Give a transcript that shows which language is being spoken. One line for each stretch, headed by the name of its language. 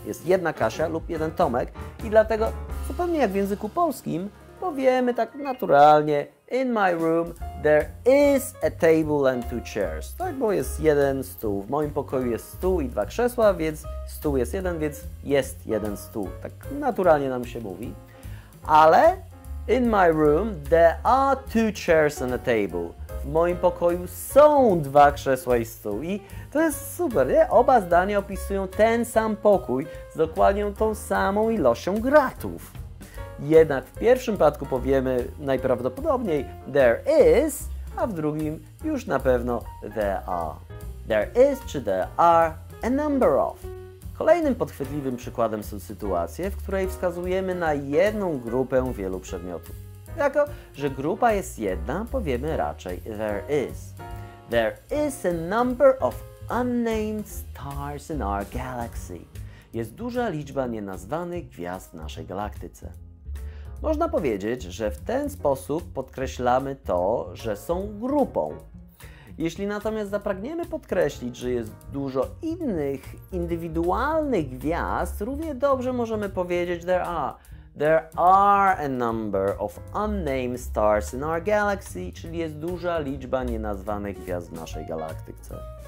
Polish: Jest jedna Kasia lub jeden Tomek i dlatego, zupełnie jak w języku polskim, powiemy tak naturalnie
English: In my room there is a table and two chairs.
Polish: Tak, bo jest jeden stół. W moim pokoju jest stół i dwa krzesła, więc stół jest jeden, więc jest jeden stół. Tak naturalnie nam się mówi.
English: Ale in my room there are two chairs and a table.
Polish: W moim pokoju są dwa krzesła i stół. I to jest super, nie? Oba zdania opisują ten sam pokój z dokładnie tą samą ilością gratów. Jednak w pierwszym przypadku powiemy najprawdopodobniej there is, a w drugim już na pewno there are.
English: There is czy there are a number of.
Polish: Kolejnym podchwytliwym przykładem są sytuacje, w której wskazujemy na jedną grupę wielu przedmiotów. Jako, że grupa jest jedna, powiemy raczej there is.
English: There is a number of unnamed stars in our galaxy.
Polish: Jest duża liczba nienazwanych gwiazd w naszej galaktyce. Można powiedzieć, że w ten sposób podkreślamy to, że są grupą. Jeśli natomiast zapragniemy podkreślić, że jest dużo innych, indywidualnych gwiazd, równie dobrze możemy powiedzieć
English: There are a number of unnamed stars in our galaxy,
Polish: czyli jest duża liczba nienazwanych gwiazd w naszej galaktyce.